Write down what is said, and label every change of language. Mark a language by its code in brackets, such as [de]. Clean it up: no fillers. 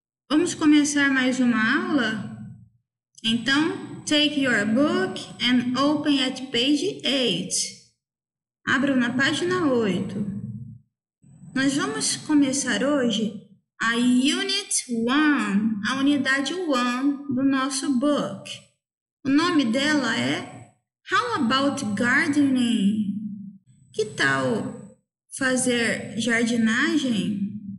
[pt] Vamos começar mais uma aula? Então, [en] take your book and open at page 8. [pt] Abram na página 8. Nós vamos começar hoje a unit 1, a unidade 1 do nosso book. O nome dela é [en] How about gardening? [pt] Que tal fazer jardinagem?